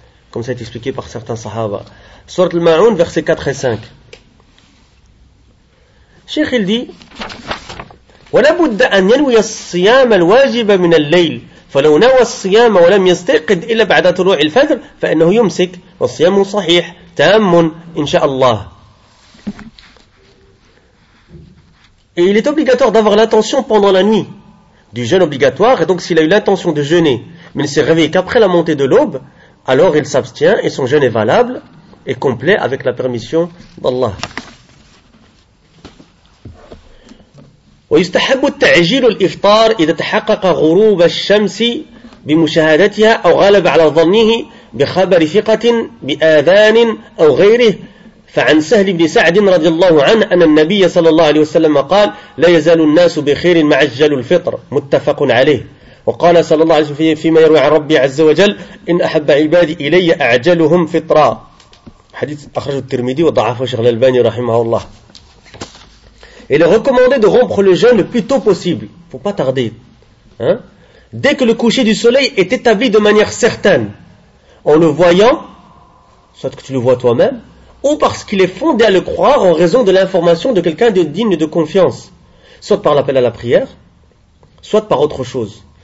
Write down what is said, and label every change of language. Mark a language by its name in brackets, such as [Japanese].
[French] Comme ça a été expliqué par certains sahaba. Sourate Al-Ma'un, versets 4 et 5. Cheikh il dit [Arabic] ولابد أن ينوي الصيام الواجب من الليل فلو نوى الصيام ولم يستيقظ إلا بعد طلوع الفجر فإنه يمسك والصيام صحيح تام إن شاء الله. [French] Et il est obligatoire d'avoir l'intention pendant la nuit du jeûne obligatoire, et donc s'il a eu l'intention de jeûner mais ne s'est réveillé qu'après la montée de l'aube, alors il s'abstient et son jeûne est valable et complet avec la permission d'Allah. [Arabic] ويستحب التعجيل الإفطار إذا تحقق غروب الشمس بمشاهدتها أو غلب على ظنه بخبر ثقة بآذان أو غيره. فعن سهل بن سعد رضي الله عنه أن النبي صلى الله عليه وسلم قال لا يزال الناس بخير ما عجلوا الفطر. متفق عليه. وقال صلى الله عليه وسلم فيما يروي عن ربي عز وجل إن أحب عبادي إلي أعجلهم فطرا. حديث أخرجه الترمذي وضعفه شيخ الألباني رحمه الله. [French] Il est recommandé de rompre le jeûne le plus tôt possible. Il ne faut pas tarder. Hein? Dès que le coucher du soleil est établi de manière certaine, en le voyant, soit que tu le vois toi-même, ou parce qu'il est fondé à le croire en raison de l'information de quelqu'un de digne de confiance, soit par l'appel à la prière, soit par autre chose.